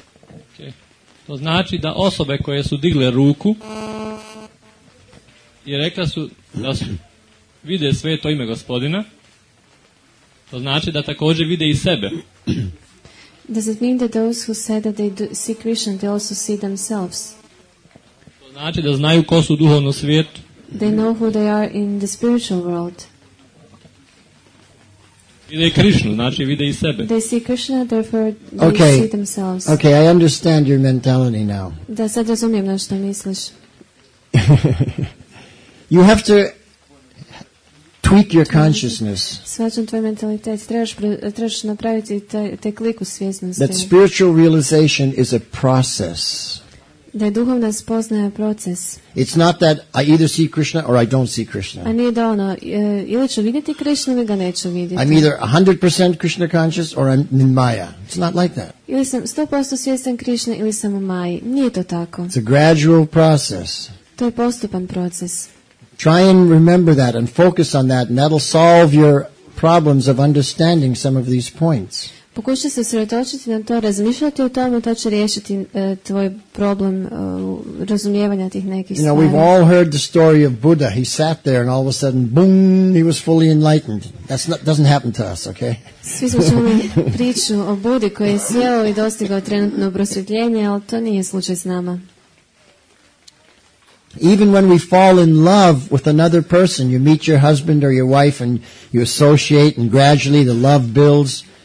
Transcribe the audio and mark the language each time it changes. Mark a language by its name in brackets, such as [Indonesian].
[Croatian] Okay. To znači da osobe koje su digle ruku i rekla su da su vide sve to ime gospodina, to znači da također vide i sebe. [English] Does it mean that those who said that they see Krishna, they also see themselves? [Croatian] Znači da znaju ko su duhovno svijet. [English] They know who they are in the spiritual world. [Croatian] Vide i Krishnu, znači vide i sebe. [English] They see Krishna, therefore they okay. See themselves. Okay, I understand your mentality now. [Croatian] Da sad razumijem na što misliš. [English] You have to tweak your consciousness. [Croatian] Svačam tvoj mentalitet. Trebaš napraviti te klik u svjesnosti. [English] That spiritual realization is a process. [Croatian] Da je duhovna spoznaja proces. [English] It's not that I either see Krishna or I don't see Krishna. [Croatian] A nije da ono, ili ću vidjeti Krishna ili ga neću vidjeti. [English] I'm either 100% Krishna conscious or I'm in Maya. It's not like that. [Croatian] Ili sam 100% svjestan Krishna ili sam u Maji. Nije to tako. [English] It's a gradual process. [Croatian] To je postupan proces. [English] Try and remember that and focus on that, and that'll solve your problems of understanding some of these points. [Croatian] Pokušaj se sretočiti na to, razmišljati o tome, to će riješiti tvoj problem razumijevanja tih nekih stvari. [English] You know, we've all heard the story of Buddha. He sat there and all of a sudden, boom, he was fully enlightened. That's not, doesn't happen to us, okay? [Croatian] Svi smo čuli priču o Budi koji je sjeo i dostigao trenutno prosvjetljenje, ali to nije slučaj s nama. [English] Even when we fall in love with another person, you meet your husband or your wife and you associate and gradually the love builds.